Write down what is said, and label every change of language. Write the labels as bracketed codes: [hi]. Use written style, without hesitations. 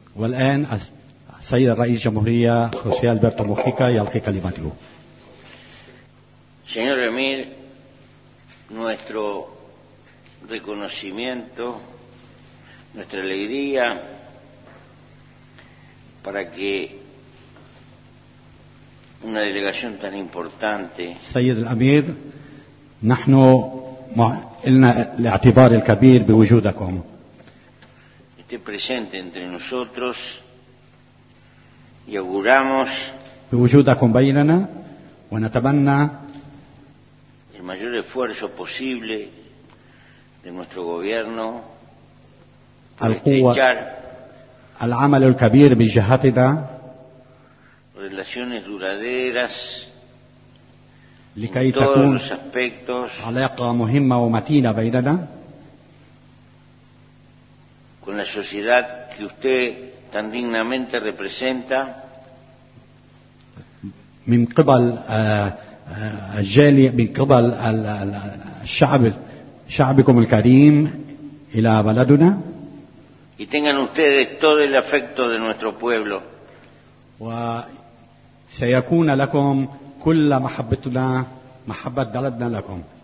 [ar] والآن سيد الرئيس الجمهورية خوسيه ألبرتو موخيكا يلقي كلمته. [es] Señor Emir, nuestro reconocimiento, nuestra alegría para que una delegación tan importante. [ar] سيد الأمير، نحن لنا الاعتبار الكبير بوجودكم. [es] Esté presente entre nosotros y auguramos. [ar] بوجودكم بيننا ونتمنى [es] el mayor esfuerzo posible de nuestro gobierno estrechar [ar] العمل الكبير من جهتنا [es] relaciones duraderas [ar] لكي [es] en todos los aspectos [ar] علاقة مهمة ومتينة بيننا [es] con la sociedad que usted tan dignamente representa [ar] من قبل الجالية من قبل الشعب شعبكم الكريم إلى بلدنا [es] y tengan ustedes todo el afecto de nuestro pueblo [ar] وسيكون لكم كل محبتنا محبة بلدنا لكم